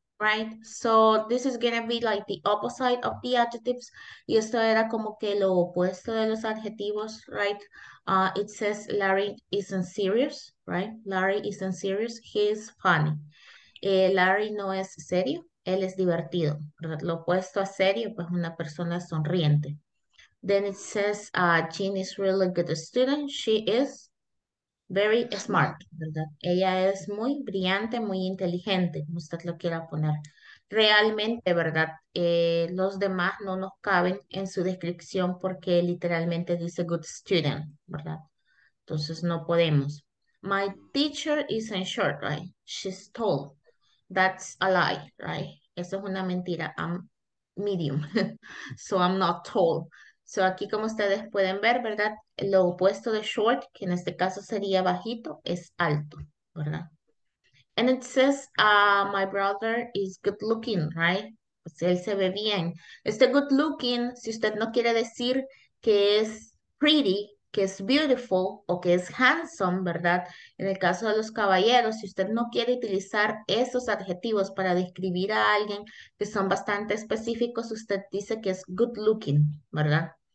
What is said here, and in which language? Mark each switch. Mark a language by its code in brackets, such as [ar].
[en] Right, so this is gonna be like the opposite of the adjectives. [es] Y esto era como que lo opuesto de los adjetivos, [en] right? It says Larry isn't serious, right? Larry isn't serious, he is funny. [es] Larry no es serio, él es divertido, ¿verdad? Lo opuesto a serio, pues una persona sonriente. [en] Then it says Jean is really good student, she is very smart, [es] ¿verdad? Ella es muy brillante, muy inteligente, como usted lo quiera poner. Realmente, ¿verdad? Los demás no nos caben en su descripción porque literalmente dice [en] good student, [es] ¿verdad? Entonces no podemos. [en] My teacher isn't short, right? She's tall. That's a lie, right? [es] Eso es una mentira. [en] I'm medium, so I'm not tall. So [es] aquí como ustedes pueden ver, ¿verdad? Lo opuesto de short, que en este caso sería bajito, es alto, ¿verdad? [en] And it says, my brother is good looking, right? [es] Pues él se ve bien. Este [en] good looking, [es] si usted no quiere decir que es pretty, que es beautiful o que es handsome, ¿verdad? En el caso de los caballeros, si usted no quiere utilizar esos adjetivos para describir a alguien que son bastante específicos, usted dice que es [en] good looking, [es] ¿verdad?